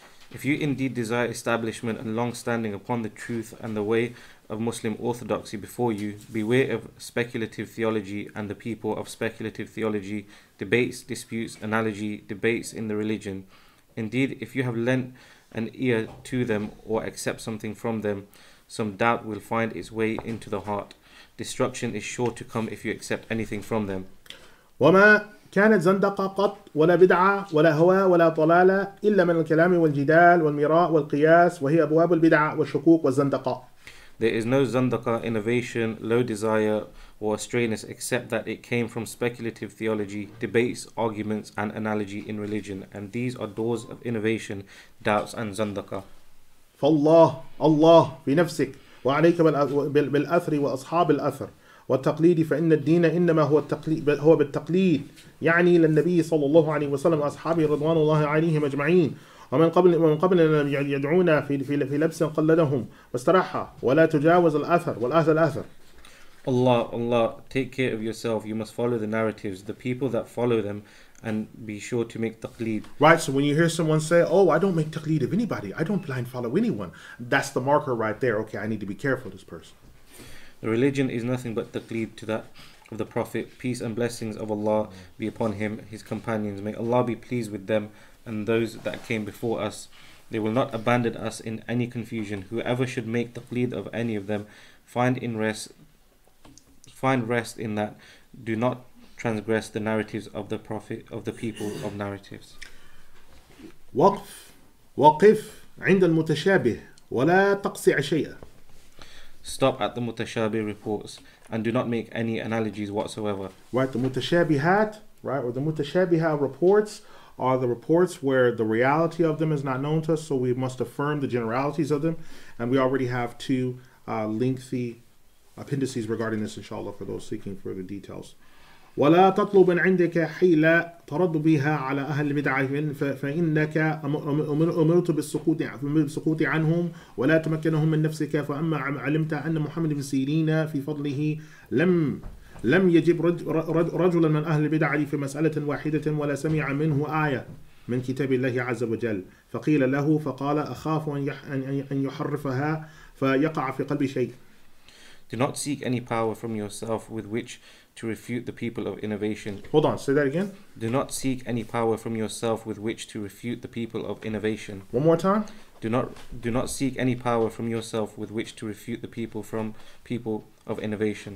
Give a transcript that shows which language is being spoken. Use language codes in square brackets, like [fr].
[en] If you indeed desire establishment and long standing upon the truth and the way of Muslim orthodoxy before you, beware of speculative theology and the people of speculative theology, debates, disputes, analogy, debates in the religion. Indeed, if you have lent an ear to them or accept something from them, some doubt will find its way into the heart. Destruction is sure to come if you accept anything from them. [ar] كانت زندقة قط ولا بدعة ولا هوى ولا طلالة إلا من الكلام والجدال والمراء والقياس وهي أبواب البدعة والشكوك والزندقة. [en] There is no zandaqa, innovation, low desire or astrayness except that it came from speculative theology, debates, arguments and analogy in religion, and these are doors of innovation, doubts and zandaqa. [ar] فالله الله بنفسك وعليك بالأثر وأصحاب الأثر والتقليد فإن الدين إنما هو التقليد هو بالتقليد يعني للنبي صلى الله عليه وسلم وأصحابه رضوان الله عليهم أجمعين ومن قبلنا يدعون في لبس قلدهم واستراحة ولا تجاوز الأثر والأثر الأثر. [en] Allah, Allah, take care of yourself. You must follow the narratives, the people that follow them, and be sure to make taqleed. Right, so when you hear someone say, oh, I don't make taqleed of anybody, I don't blind follow anyone, that's the marker right there. Okay, I need to be careful of this person. The religion is nothing but taqleed to that of the Prophet, peace and blessings of Allah be upon him, his companions. May Allah be pleased with them and those that came before us. They will not abandon us in any confusion. Whoever should make taqleed of any of them, find rest in that. Do not transgress the narratives of the Prophet, of the people of narratives. [ar] وقف عند المتشابه ولا تقصع شيئا. [en] Stop at the mutashabih reports and do not make any analogies whatsoever. Right, the mutashabihat, right, or the mutashabiha reports are the reports where the reality of them is not known to us, so we must affirm the generalities of them. And we already have two lengthy appendices regarding this, inshallah, for those seeking further details. [ar] ولا تطلب عندك حيلة ترد بها على أهل البدعة فإنك أمرت بالسقوط عنهم ولا تمكنهم من نفسك فأما علمت أن محمد بن سيرين في فضله لم يجب رجلا من أهل البدعة في مسألة واحدة ولا سمع منه آية من كتاب الله عز وجل فقيل له فقال أخاف أن يحرفها فيقع في قلبي شيء. [en] Do not seek any power from yourself with which to refute the people of innovation. Hold on, say that again. Do not seek any power from yourself with which to refute the people of innovation. One more time. Do not seek any power from yourself with which to refute the people of innovation.